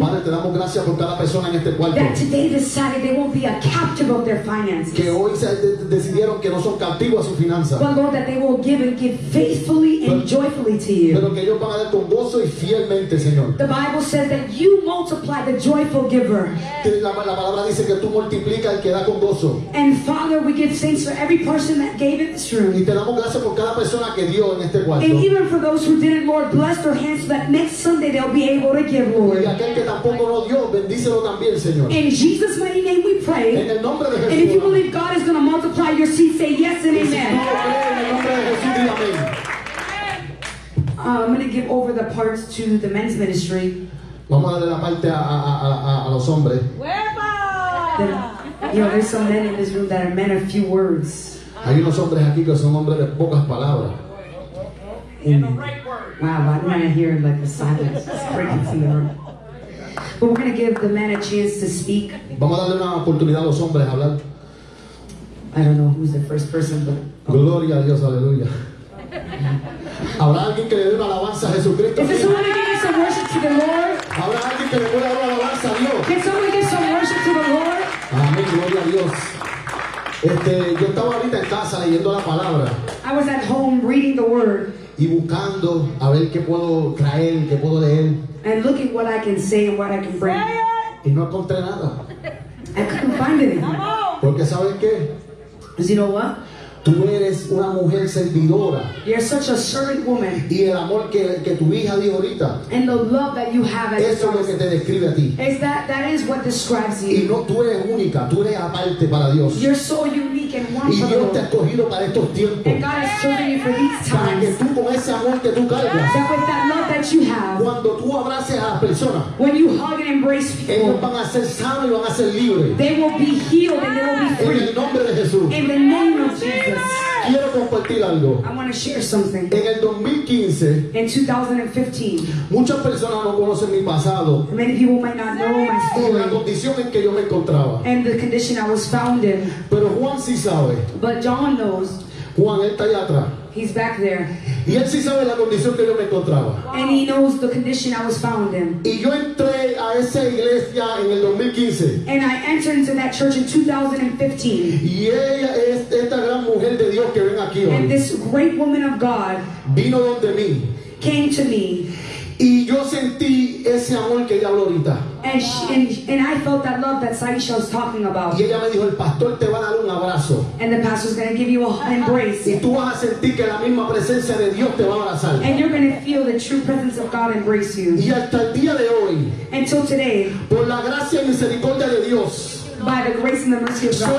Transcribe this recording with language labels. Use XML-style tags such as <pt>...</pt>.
<es>Padre, te damos gracias por cada persona en este cuarto.</es> <en>That today, this Saturday, they won't be a captive of their finances.</en> <es>Que hoy decidieron que no son cautivos a sus finanzas.</es> <en>But Lord, that they will give and give faithfully and joyfully to you.</en> <es>Pero que ellos van a dar con gozo y fielmente, Señor.</es> <en>The Bible says that you multiply the joyful giver.</en> <es>La palabra dice que tú multiplicas el que da con gozo.</es> <en>And Father, we give thanks for every person that gave it this room.</en> <es>Y te damos gracias por cada persona que dio en este cuarto.</es> <en>And even for those who didn't, Lord, bless their hands so that next Sunday they'll be able to give, Lord.</en> <es>Y aquel que tampoco lo dio, bendícelo también, Señor.</es> <en>In Jesus' mighty name we pray.</en> <es>En el nombre de Jesús.</es> <en>And if you believe God is going to multiply your seed, say yes and amen.</en> <es>Si tú lo crees, en el nombre de Jesús, di amén.</es> <en>I'm going to give over the parts to the men's ministry.</en> <es>Vamos a darle la parte a los hombres.</es> <en>You know, there's some men in this room that are men of few words.</en> <es>Hay unos hombres aquí que son hombres de pocas palabras.</es> <en>Wow, I'm gonna hear like the silence breaking from the room. But we're gonna give the men a chance to speak.</en> <es>Vamos a darle una oportunidad a los hombres a hablar.</es> <en>I don't know who's the first person, but.</en> <es>Gloria a Dios, aleluya. Habrá alguien que le dé una alabanza a Jesucristo.</es> <en>Is there someone to give some worship to the Lord?</en> <es>Habrá alguien que le pueda dar una alabanza a Dios.</es> <en>Can someone give some worship to the Lord?</en> <es>Amén, gloria a Dios. Yo estaba ahorita en casa leyendo la palabra.</es> <en>I was at home reading the word.</en> <es>Y buscando a ver qué puedo traer, qué puedo leer.</es> <en>And looking what I can say and what I can bring.</en> <es>Y no encontré nada.</es> <en>I couldn't find anything.</en> <es>Porque ¿sabes qué?</es> <en>Because you know what?</en> <es>Tú eres una mujer servidora.</es> <en>You're such a servant woman.</en> <es>Y el amor que tu hija dijo ahorita.</es> <en>And the love that you have as a daughter.</en> <es>Eso es lo que te describe a ti.</es> <en>Is that, that is what describes you.</en> <es>Y no, tú eres única, tú eres aparte para Dios.</es> <en>You're so unique and wonderful.</en> <es>Y Dios te ha escogido para estos tiempos.</es> <en>And God has chosen you for these times.</en> <es>Para que tú con ese amor que tú cargas.</es> <en>That with that love that you have.</en> <es>Cuando tú abraces a las personas.</es> <en>When you hug and embrace people.</en> <es>Ellos van a ser sanos y van a ser libres.</es> <en>They will be healed and they will be free.</en> <es>En el nombre de Jesús.</es> <en>In the name of Jesus.</en> <es>Quiero compartir algo.</es> <en>I want to share something.</en> <es>En el 2015,</es> <en>in 2015,</en> <es>muchas personas no conocen mi pasado.</es> <en>Many people might not know my story.</en> <es>La condición en que yo me encontraba.</es> <en>And the condition I was found in.</en> <es>Pero Juan sí sabe.</es> <en>But John knows.</en> <es>Juan está allá atrás.</es> <en>He's back there.</en> <es>Y él sí sabe la condición que yo me encontraba.</es> <en>And he knows the condition I was found in.</en> <es>Y yo entré a esa iglesia en el 2015.</es> <en>And I entered into that church in 2015.</en> <es>Y ella es esta gran mujer de Dios que ven aquí hoy.</es> <en>And this great woman of God</en> <es>vino donde mí.</es> <en>Came to me.</en> <es>Y yo sentí ese amor que ella habló ahorita.</es> <en>And, she, and I felt that love that Saisha was talking about.</en> <es>Y ella me dijo, el pastor te va a dar un abrazo.</es> <en>And the pastor's going to give you an embrace.</en> <es>Y tú vas a sentir que la misma presencia de Dios te va a abrazar.</es> <en>And you're going to feel the true presence of God embrace you.</en> <es>Y hasta el día de hoy.</es> <en>Until today.</en> <es>Por la gracia y misericordia de Dios.</es> <en>By the grace and the mercy of God.</en>